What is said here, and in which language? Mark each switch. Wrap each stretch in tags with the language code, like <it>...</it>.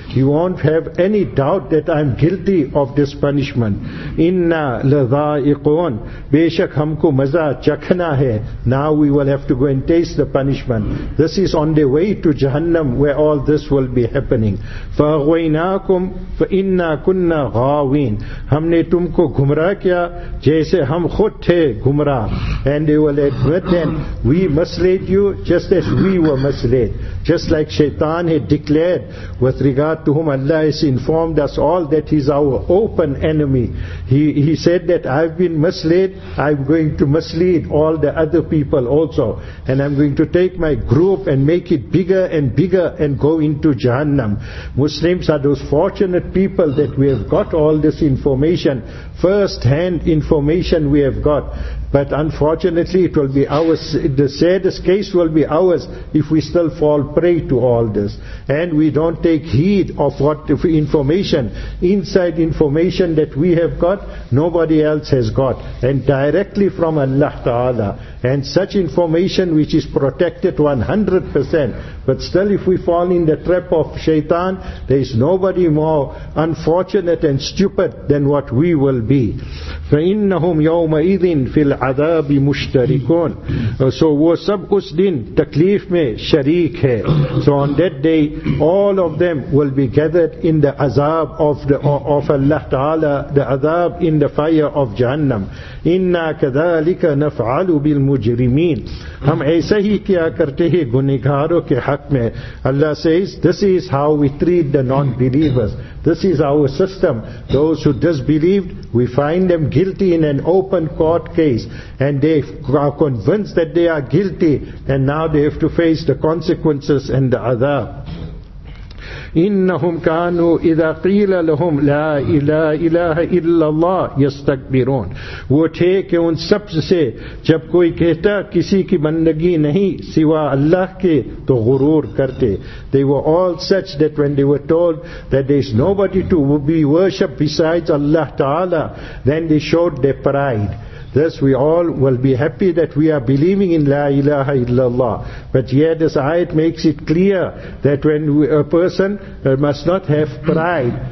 <en>You won't have any doubt that I'm guilty of this punishment.</en> <ar>Inna ladha'iqun.</ar> <ur>Beshak humko maza chakhna hai.</ur> <en>Now we will have to go and taste the punishment. This is on the way to Jahannam where all this will be happening.</en> <ar>فَأَغْوَيْنَاكُمْ فَإِنَّا كُنَّا غَاوِينَ.</ar> <ur>ہم نے تم کو گمراہ کیا جیسے ہم خود تھے گمراہ.</ur> <en>And they will admit that we misled you just as we were misled. Just like Shaitan had declared with regard to whom Allah has informed us all that he's our open enemy. He said that I've been misled, I'm going to mislead all the other people also. And I'm going to take my group and make it bigger and bigger and go into Jahannam. Muslims are those fortunate people that we have got all this information, first hand information we have got. But unfortunately it will be ours, the saddest case will be ours if we still fall prey to all this. And we don't take heed of what information, inside information that we have got, nobody else has got. And directly from Allah Ta'ala. And such information which is protected 100%. But still if we fall in the trap of shaitan, there is nobody more unfortunate and stupid than what we will be.</en> <ar>فَإِنَّهُمْ يَوْمَئِذٍ فِي الْعَذَابِ مُشْتَرِكُونَ.</ar> <ur>So وہ سب اس دن تکلیف میں شریک ہے.</ur> <en>So on that day, all of them will be gathered in the azab of Allah Ta'ala, the azab in the fire of Jahannam.</en> <ar>إِنَّا كَذَلِكَ نَفْعَلُ بِالْمُجْرِمِينَ.</ar> <ur>ہم ایسا ہی کیا کرتے ہیں گنہگاروں کے حق میں.</ur> <en>Allah says, this is how we treat the non-believers. This is our system. Those who disbelieved, we find them guilty in an open court case. And they are convinced that they are guilty. And now they have to face the consequences and the other.</en> <ar>إنهم كانوا إذا قيل لهم لا إله إلا الله يستكبرون.</ar> <ur>وہ تھے کہ ان سب سے جب کوئی کہتا کسی کی بندگی نہیں سوا اللہ کے تو غرور کرتے.</ur> <en>They were all such that when they were told that there is nobody to be worshipped besides Allah Ta'ala, then they showed their pride. Thus we all will be happy that we are believing in La ilaha illallah. But yet this ayat makes it clear that when a person must not have pride.</en>